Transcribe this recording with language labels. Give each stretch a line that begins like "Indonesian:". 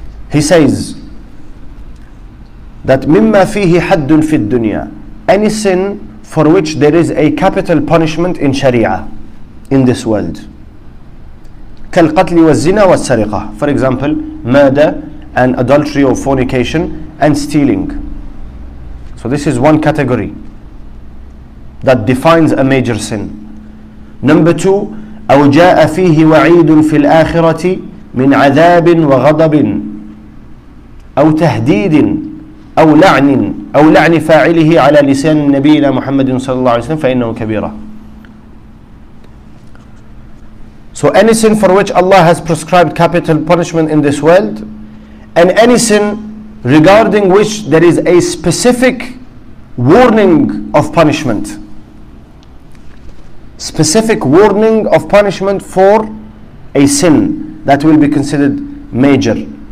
English: He says that
Arabic: mimma fihi haddun fi dunya,
English: any sin for which there is a capital punishment in Sharia, in this world.
Arabic: Kal qatl wa zina wa sariqa,
English: for example, murder and adultery or fornication and stealing. So this is one category that defines a major sin. Number two,
Arabic: أو جاء فيه وعيد في الآخرة من عذاب وغضب أو تهديد أو لعن أو لعن فاعله على لسان نبينا محمد صلى الله عليه وسلم فإنه كبيرة.
English: So any sin for which Allah has prescribed capital punishment in this world, and any sin regarding which there is a specific warning of punishment. Specific warning of punishment for a sin that will be considered major.